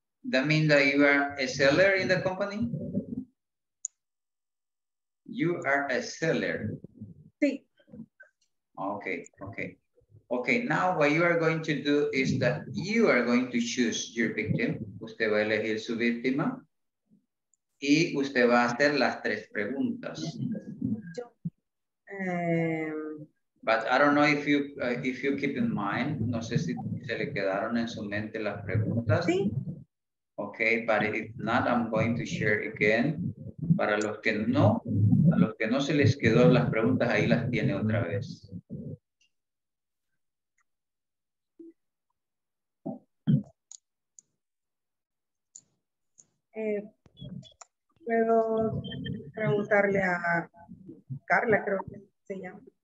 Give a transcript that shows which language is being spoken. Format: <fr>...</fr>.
<en>That means that you are a seller in the company? You are a seller.</en> <es>Sí.</es> <en>Okay. Okay, now what you are going to do is that you are going to choose your victim.</en> <es>Usted va a elegir su víctima. Y usted va a hacer las tres preguntas. Yo,</es> <en>But I don't know if you keep in mind,</en> <es>no sé si se le quedaron en su mente las preguntas. Sí.</es> <en>Okay, but if not, I'm going to share again.</en> <es>Para los que no, a los que no se les quedó las preguntas, ahí las tiene otra vez. Puedo preguntarle a Carla, creo que se llama.</es>